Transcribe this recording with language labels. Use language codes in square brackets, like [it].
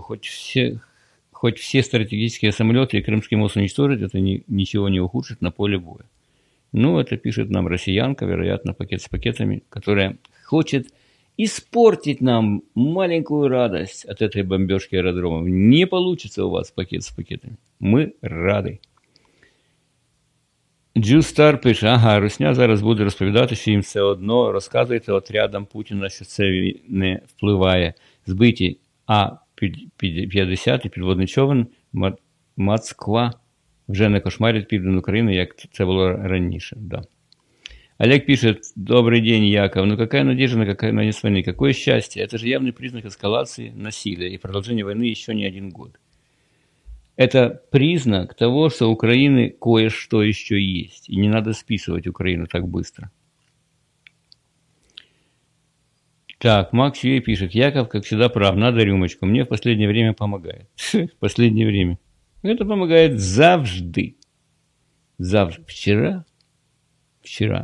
[ru] Хоть все стратегические самолеты и Крымский мост уничтожить, это ничего не ухудшит на поле боя. Ну, это пишет нам россиянка, вероятно, пакет с пакетами, которая хочет испортить нам маленькую радость от этой бомбежки аэродромов. Не получится у вас пакет с пакетами. Мы рады. [uk] Джустар пише, ага, Русня зараз буде розповідати, що їм все одно, розказуйте отрядам Путіна, що це не впливає. Збиті А-50 і підводний човен Москва вже не кошмарить південь України, як це було раніше. Да. Олег пише, добрий день, Яков, ну яка надія на яке на несвоєння, яке щастя, це ж явний признак ескалації насилля і продовження війни ще не один год. [ru] Это признак того, что у Украины кое-что еще есть. И не надо списывать Украину так быстро. Так, Макс Юэй пишет. Яков, как всегда, прав. Надо рюмочку. Мне в последнее время помогает. В последнее время. Это помогает [uk] завжды. Завжды. [ru] Вчера. Вчера.